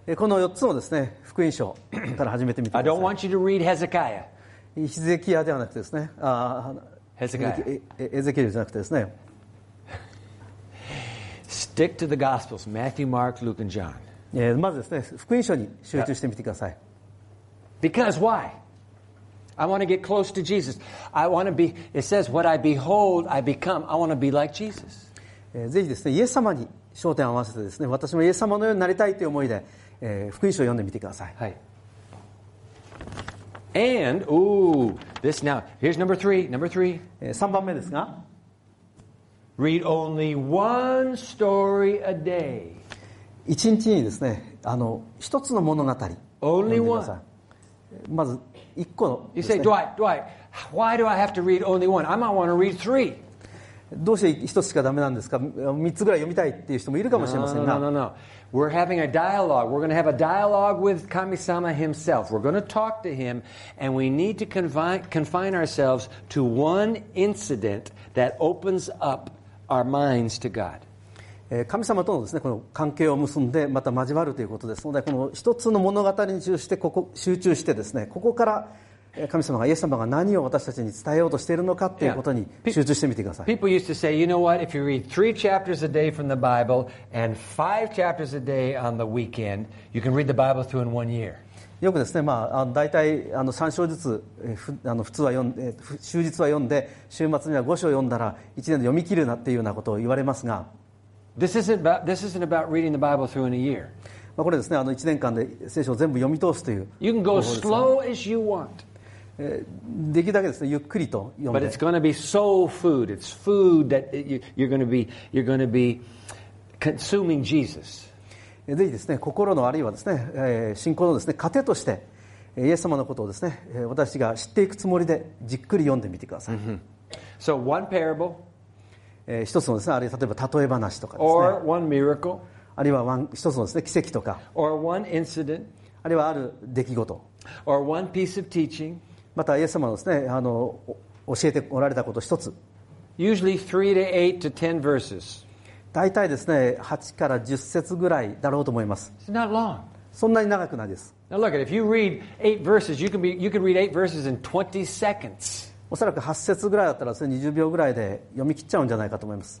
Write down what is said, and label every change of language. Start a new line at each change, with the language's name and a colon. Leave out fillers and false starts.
Japanese: この4つのですね、福音書から始めてみてください。
English: I don't want you to read Hezekiah.
Japanese: ヒゼキヤではなくてですね、
English: Hezekiah.
Japanese: エゼキエルじゃなくてですね。
English: Stick to the gospels, Matthew, Mark, Luke, and John.
Japanese: まずですね、福音書に集中してみてください。
English: Because why? I want to get close to Jesus. I want to be, it says, what I behold, I become. I want to be like Jesus.
Japanese: ぜひですね、イエス様に焦点を合わせてですね、私もイエス様のようになりたいという思いで、福音書を読んでみてください。はい。
English: And, ooh, this now, here's number three, number three.
Japanese: 3番目ですが。
English: Read only one story a day.
Japanese: 一日にですね、あの、一つの物語。
English: Only one.
Japanese: まず、一個の。
English: You say, Dwight, why do I have to read only one? I might want to read three.
Japanese: どうして一つしかダメなんですか三つぐらい読みたいっていう人もいるかもしれませんが
English: No. We're having a dialogue. We're going to have a dialogue with Kami-sama himself. We're going to talk to him and we need to confine ourselves to one incident that opens up our minds to God.
Japanese: 神様とのですね、この関係を結んでまた交わるということですので、この一つの物語に集中してですね、ここから神様がイエス様が何を私たちに伝えようとしているのかということに集中してみてください。
English: People used to say, you know what, if you read three chapters a day from the Bible and five chapters a day on the weekend, you can read the Bible through in one year.
Japanese: よくですね、まあ、大体あの3章ずつ、あの普通は読ん、終日は読んで、週末には5章読んだら1年で読み切るなっていうようなことを言われますが。
English: This isn't about reading the Bible through in a year.
Japanese: まあ、これですね、あの1年間で聖書を全部読み通すという方法です。
English: You can go slow as you want.
Japanese: できるだけですね、ゆっくりと読んで。
English: But it's going to be soul food. It's food that you're going to be consuming Jesus.
Japanese: ぜひですね、心のあるいはですね、信仰のですね、糧としてイエス様のことをですね、私が知っていくつもりでじっくり読んでみてください。
English: So one parable.
Japanese: 一つのですね、あるいは例えば例え話とかですね。
English: Or one miracle.
Japanese: あるいは一つのですね、奇跡とか。
English: Or one incident.
Japanese: あるいはある出来事。
English: Or one piece of teaching.
Japanese: またイエス様のですね、あの教えておられたこと一つ。
English: Usually 3 to 8 to 10 verses.
Japanese: 大体ですね、8から10節ぐらいだろうと思います。
English: It's not long.
Japanese: そんなに長くないです。
English: Now look at it. If you read 8 verses, you can read 8 verses in 20 seconds.
Japanese: おそらく8節ぐらいだったら、それ20秒ぐらいで読み切っちゃうんじゃないかと思います。